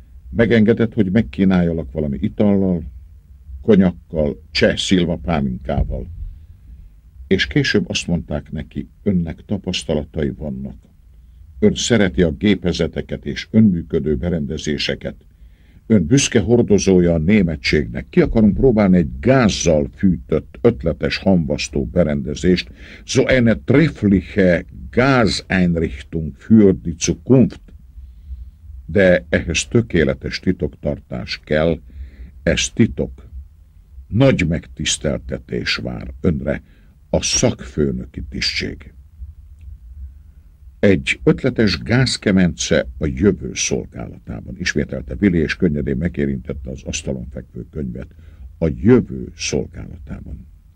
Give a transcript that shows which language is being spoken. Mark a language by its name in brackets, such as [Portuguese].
[Hungarian] Megengedett, hogy megkínáljalak valami itallal, konyakkal, cseh szilvapálinkával, és később azt mondták neki, önnek tapasztalatai vannak. Ön szereti a gépezeteket és önműködő berendezéseket. Ön büszke hordozója a németségnek. Ki akarunk próbálni egy gázzal fűtött, ötletes, hamvasztó berendezést. [German] So eine treffliche Gaseinrichtung für die Zukunft. [Hungarian] De ehhez tökéletes titoktartás kell. Ez titok. Nagy megtiszteltetés vár önre. A szakfőnöki tisztség. Egy ötletes gázkemence a jövő szolgálatában, ismételte Vili, és könnyedén megérintette az asztalon fekvő könyvet, a jövő szolgálatában.